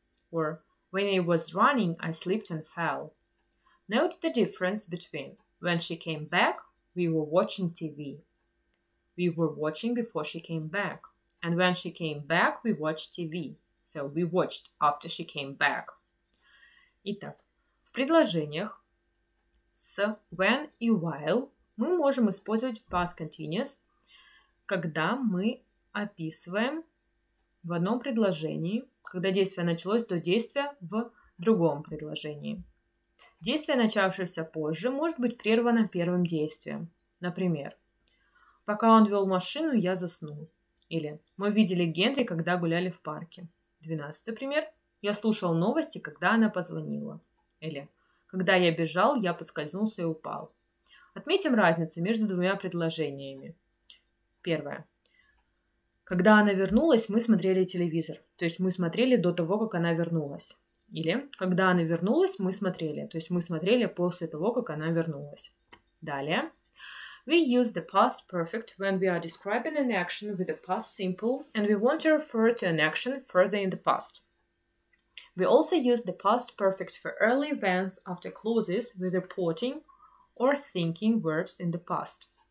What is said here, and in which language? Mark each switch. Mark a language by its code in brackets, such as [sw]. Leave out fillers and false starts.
[en] Or, when I was running, I slipped and fell. Note the difference between when she came back, we were watching TV. We were watching before she came back. And when she came back, we watched TV. So, we watched after she came back. [ru] Итак, в предложениях с when и while мы можем использовать past continuous, когда мы описываем в одном предложении, когда действие началось до действия в другом предложении. Действие, начавшееся позже, может быть прервано первым действием. Например, пока он вел машину, я заснул. Или мы видели Генри, когда гуляли в парке. 12-й пример. Я слушал новости, когда она позвонила. Или когда я бежал, я подскользнулся и упал. Отметим разницу между двумя предложениями. Первое. Когда она вернулась, мы смотрели телевизор. То есть мы смотрели до того, как она вернулась. Или когда она вернулась, мы смотрели. То есть мы смотрели после того, как она вернулась. Далее. [en] We use the past perfect when we are describing an action with the past simple and we want to refer to an action further in the past. We also use the past perfect for early events after clauses with reporting or thinking verbs in the past.